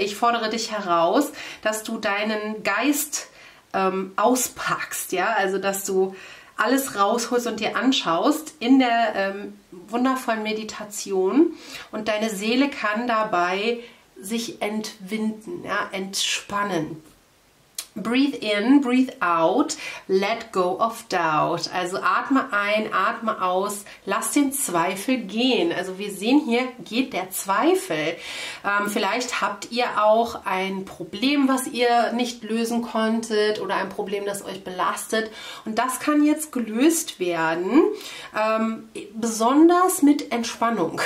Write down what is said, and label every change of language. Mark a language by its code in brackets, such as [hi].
[de] Ich fordere dich heraus, dass du deinen Geist auspackst, ja? Also dass du alles rausholst und dir anschaust in der wundervollen Meditation. Und deine Seele kann dabei sich entwinden, ja? Entspannen. [en] Breathe in, breathe out, let go of doubt. [de] Also atme ein, atme aus, lass den Zweifel gehen. Also wir sehen hier, geht der Zweifel. Vielleicht habt ihr auch ein Problem, was ihr nicht lösen konntet oder ein Problem, das euch belastet. Und das kann jetzt gelöst werden, besonders mit Entspannung.